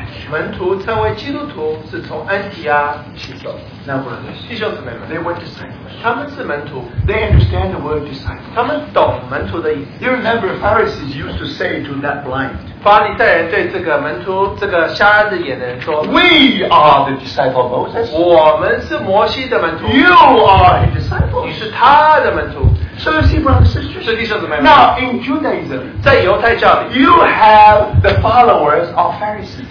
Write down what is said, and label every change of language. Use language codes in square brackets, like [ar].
[zh] 门徒称为基督徒是从安提阿起手。弟兄姊妹们，他们是门徒。 [en] They understand the word disciple. [zh] 他们懂门徒的意思。 [en] You remember Pharisees used to say to that blind. [zh] 法利赛人对这个门徒，这个瞎子眼的人说， [en] We are the disciple of Moses. [zh] 我们是摩西的门徒。You [en] are his disciples. [zh] 你是他的门徒。 [en] So you see, brothers and sisters, [zh] 弟兄姊妹们, [en] now in Judaism, [zh] 在犹太教里, [en] you have the followers of Pharisees.